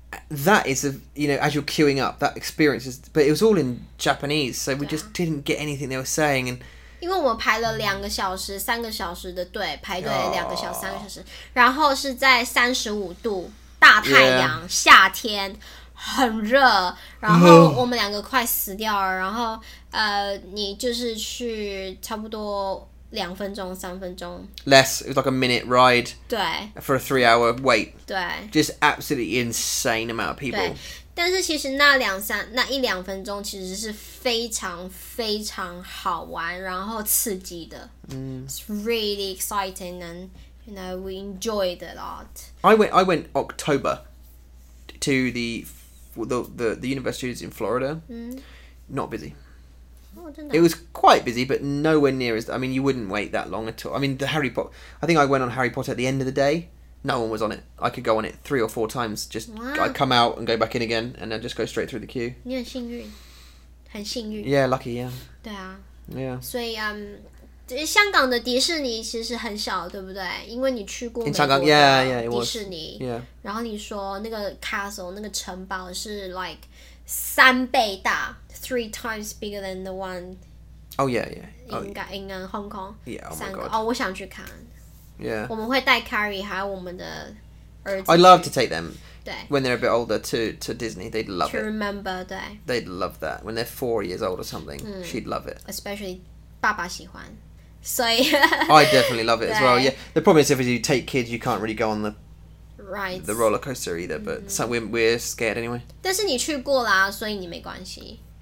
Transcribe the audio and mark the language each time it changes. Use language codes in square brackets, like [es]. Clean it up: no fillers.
[en] That is a, you know, as you're queuing up, that experience is, but it was all in Japanese, so we just didn't get anything they were saying and. [zh] 因为我们排了两个小时、三个小时的队，排队两个小时、三个小时，然后是在35度大太阳、夏天，很热，然后我们两个快死掉了。然后你就是去差不多两分钟、三分钟 [en] less， it was like a minute ride， [zh] 对， [en] for a 3-hour wait， [zh] 对， [en] just absolutely insane amount of people。 [zh] 但是其实那两三那一两分钟其实是非常非常好玩，然后刺激的。嗯、 [en] It's really exciting and you know we enjoyed it a lot. I went October to the university in Florida.、嗯、 not busy. [zh] Oh, 真的 [en] It was quite busy, but nowhere near as. I mean, you wouldn't wait that long at all. I mean, the Harry Potter. I think I went on Harry Potter at the end of the day. No one was on it. I could go on it 3 or 4 times. Just、 wow. I'd come out and go back in again, and then just go straight through the queue. [zh] 你很幸运，很幸运。 [en] Yeah, lucky. Yeah. [zh] 对啊。 [en] Yeah. [zh] 所以香港的迪士尼其实很小，对不对？因为你去过美 [en] 国的 Yeah, yeah, it was. [zh] 迪士尼。 [en] Yeah. [zh] 然后你说那个 castle 那个城堡是 like 三倍大 ， 3 times bigger than the one. [en] Oh yeah, yeah. 应该 in Hong Kong. Yeah. Oh my god. [zh] 哦，我想去看。 [en] Yeah. [zh] 我们会带 Carrie 还有我们的儿子。 [en] I love to take them. [zh] 对。 [en] When they're a bit older to Disney, they'd love to it. To remember, 对。 They'd love that. When they're 4 years old or something,、嗯、 she'd love it. [zh] Especially 爸爸喜欢。所以。 [en] I definitely love it as well. Yeah. The problem is if you take kids, you can't really go on the rides. The roller coaster either, but、嗯、 so we're scared anyway. [zh] 但是你去过啦，所以你没关系。